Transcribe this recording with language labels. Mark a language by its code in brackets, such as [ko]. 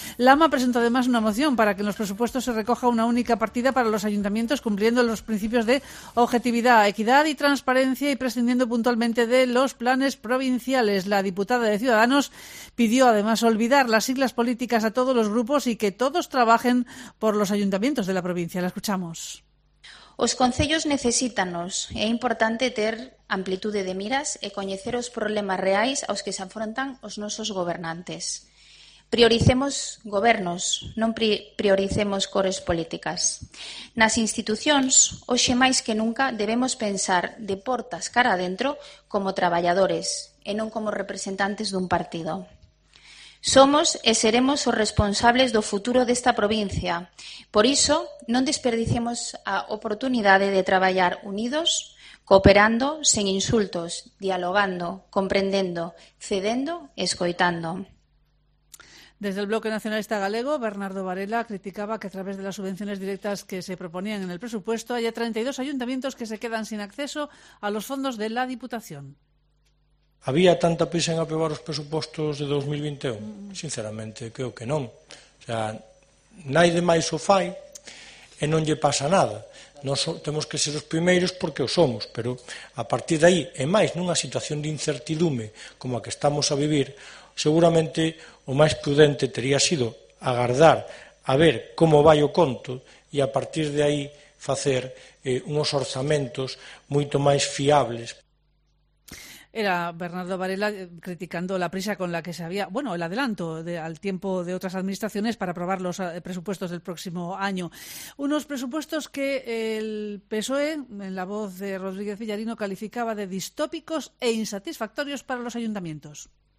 [es] Lama presentó además una moción para que en los presupuestos se recoja una única partida para los ayuntamientos, cumpliendo los principios de objetividad, equidad y transparencia y prescindiendo puntualmente de los planes provinciales. La diputada de Ciudadanos pidió además olvidar las siglas políticas a todos los grupos y que todos trabajen por los ayuntamientos de la provincia. La escuchamos. [gl] Os concellos necesítanos. É importante ter amplitude de miras e coñecer os problemas reais aos que se afrontan os nosos gobernantes. Prioricemos gobernos, non prioricemos cores políticas. Nas institucións, hoxe máis que nunca, debemos pensar de portas cara adentro como traballadores e non como representantes dun partido. Somos e seremos os responsables do futuro desta provincia. Por iso, non desperdicemos a oportunidade de traballar unidos, cooperando, sen insultos, dialogando, comprendendo, cedendo, escoitando. [es] Desde el Bloque Nacionalista Galego, Bernardo Varela criticaba que a través de las subvenciones directas que se proponían en el presupuesto haya 32 ayuntamientos que se quedan sin acceso a los fondos de la Diputación. [gl] Había tanta prisa en aprobar os presupostos de 2021? Sinceramente, creo que non. O sea, nai de máis o fai e non lle pasa nada. Temos que ser os primeiros porque o somos, pero a partir dai, e máis nunha situación de incertidume como a que estamos a vivir, seguramente o máis prudente teria sido agardar a ver como vai o conto e a partir de aí facer uns orzamentos moito máis fiables. [es] Era Bernardo Varela criticando la prisa con la que se había, bueno, el adelanto al tiempo de otras administraciones para aprobar los presupuestos del próximo año. Unos presupuestos que el PSOE, en la voz de Rodríguez Villarino, calificaba de distópicos e insatisfactorios para los ayuntamientos.